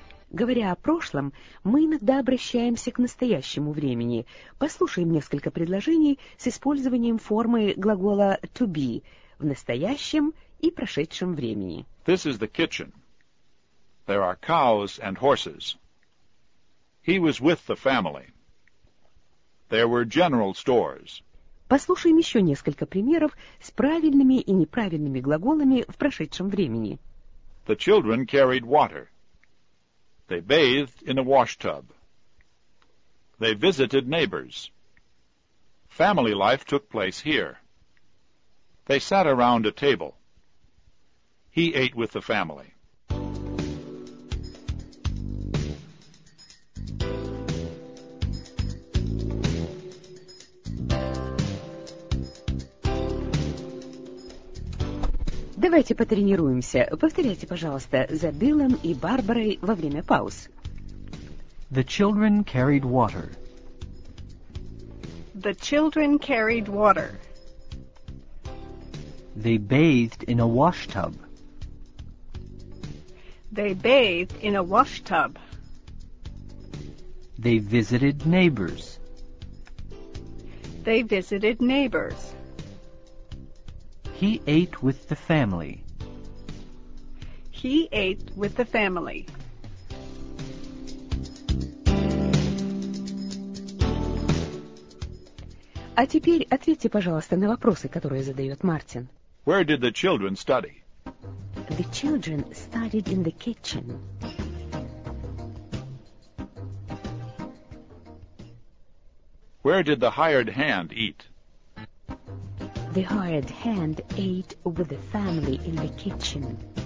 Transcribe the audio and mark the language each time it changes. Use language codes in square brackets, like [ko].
[ru] Говоря о прошлом, мы иногда обращаемся к настоящему времени. Послушаем несколько предложений с использованием формы глагола [en] to be [ru] в настоящем и прошедшем времени. [en] This is the kitchen. There are cows and horses. He was with the family. There were general stores. [ru] Послушаем еще несколько примеров с правильными и неправильными глаголами в прошедшем времени. [en] The children carried water. They bathed in a wash tub. They visited neighbors. Family life took place here. They sat around a table. He ate with the family. [ru] Давайте потренируемся. Повторяйте, пожалуйста, за Биллом и Барбарой во время пауз. [en] The children carried water. The children carried water. They bathed in a wash tub. They bathed in a wash tub. They visited neighbors. They visited neighbors. He ate with the family. He ate with the family. [ru] А теперь ответьте, пожалуйста, на вопросы, которые задает Мартин. [en] Where did the children study? The children studied in the kitchen. Where did the hired hand eat? The hired hand ate with the family in the kitchen.